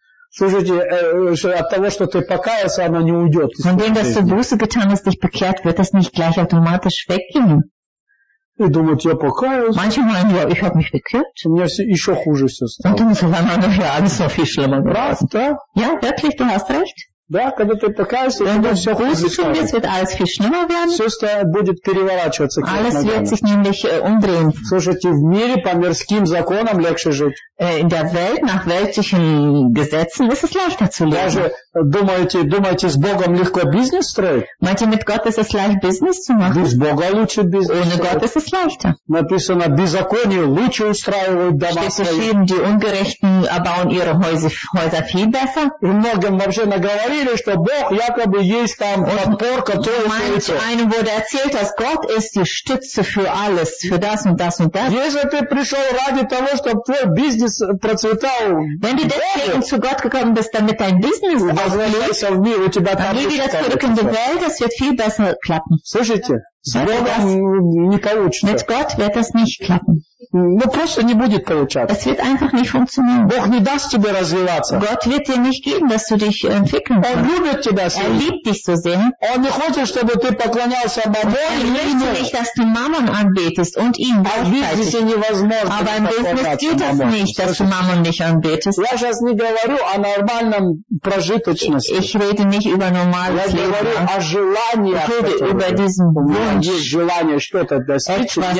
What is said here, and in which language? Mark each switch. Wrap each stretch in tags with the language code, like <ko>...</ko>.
<ru>Слушайте, от того, что ты покаялся, она не уйдет.</ru> <de>Von dem, dass du Buße getan hast, dich bekehrt, wird das nicht gleich automatisch weggehen.</de> <ru>И думают, я покаялся.</ru> <de>Manchmal meinen wir, ich habe mich bekehrt.</de> <ru>У меня еще хуже все стало.</ru> <de>Und dann ist es einmal noch alles noch viel schlimmer geworden.</de> <ru>Да?</ru> <de>Ja, wirklich, du hast recht.</de> <ru>Да, когда ты покаялся,</ru> <de>wenn du</de> <ru>все хуже</ru> <de>schon bist, wird alles viel schlimmer werden.</de> <ru>Все будет переворачиваться.</ru> <de>Alles wird sich nämlich umdrehen.</de> <ru>Слушайте, в мире по мирским законам легче жить.</ru> <de>In der Welt, nach weltlichen Gesetzen, ist es leichter zu leben.</de> <ru>Даже думаете, с Богом легко бизнес строить?</ru> <de>Meint ihr, mit Gott ist es leicht, бизнес zu machen?</de> <ru>Без Бога лучше бизнес строить.</ru> <de>Ohne Gott ist es leichter.</de> <ru>Написано, беззаконие лучше устраивают дома свои.</ru> <de>Steht geschrieben, die Ungerechten erbauen ihre Häuser viel besser.</de> <ru>И многим вообще наговорили, что Бог якобы есть там подпор, который</ru> <de>Meint einem wurde erzählt, dass Gott ist die Stütze für alles, für das und das und das.</de> <ru>Если ты пришел ради того, чтобы твой бизнес процветал.</ru> <de>Wenn du deswegen zu Gott gekommen bist, damit dein Business aufgeht, dann geh wieder zurück in die Welt, das wird viel besser klappen.</de> <ru>Слышите? С Богом не получится.</ru> <de>Mit Gott wird das nicht klappen.</de> <ru>Ну, просто не будет получаться.</ru> <de>Es wird einfach nicht funktionieren.</de> <ru>Бог не даст тебе развиваться.</ru> <de>Gott wird dir nicht geben, dass du dich entwickeln kannst.</de> <ru>Он любит тебя</ru> <de>sehr. Er liebt dich so sehr.</de> <ru>Он не хочет, чтобы ты поклонялся Мамоне.</ru> <de>Er möchte nicht, dass du Mammon anbetest und ihn gleichzeitig. Aber im Business geht das nicht, dass du Mammon nicht anbetest.</de> <ru>Я сейчас не говорю о нормальном прожиточности.</ru> <de>Ich rede nicht über normales Leben.</de> <ru>Я говорю о желании.</ru> <de>Ich rede über diesen Wunsch.</de> <ru>Есть желание что-то достичь.</ru>